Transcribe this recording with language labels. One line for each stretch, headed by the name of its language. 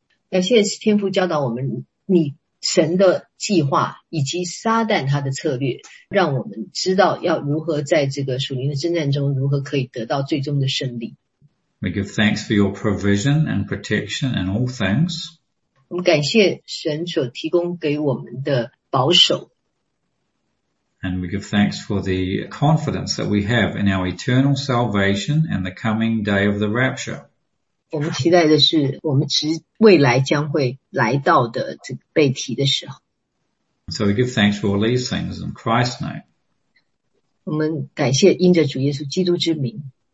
Chinese: 感谢天父教导我们你神的计划以及撒旦他的策略，让我们知道要如何在这个属灵的征战中如何可以得到最终的胜利。
English: We give thanks for your provision and protection in all things.
Chinese: 我们感谢神所提供给我们的保守。
English: And we give thanks for the confidence that we have in our eternal salvation and the coming day of the rapture.
Chinese: 我们期待的是我们未来将会来到的这个被提的时候。
English: So we give thanks for all these things in Christ's name.
Chinese: 我们感谢因着主耶稣基督之名。